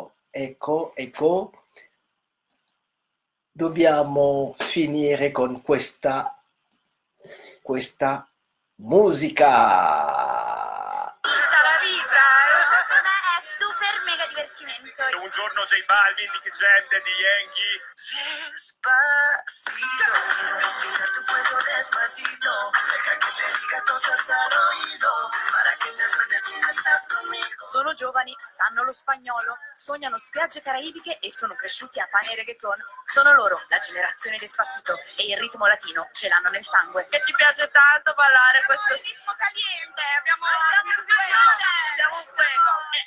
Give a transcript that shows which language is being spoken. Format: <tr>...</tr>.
<it>Ecco, dobbiamo finire con questa musica. Tutta la vita, secondo me è super mega divertimento. Un giorno J Balvin, Nicky Jam, Daddy Yankee.</it> <es>Despacito, quiero respirar tu cuello despacito. Deja que te diga cosas al oído, para que te acuerdes si no estás conmigo.</es> <it>Sono giovani, sanno lo spagnolo, sognano spiagge caraibiche e sono cresciuti a pane e reggaeton. Sono loro, la generazione Despacito, e il ritmo latino ce l'hanno nel sangue. Che ci piace tanto ballare questo ritmo caliente, siamo un fuoco.</it>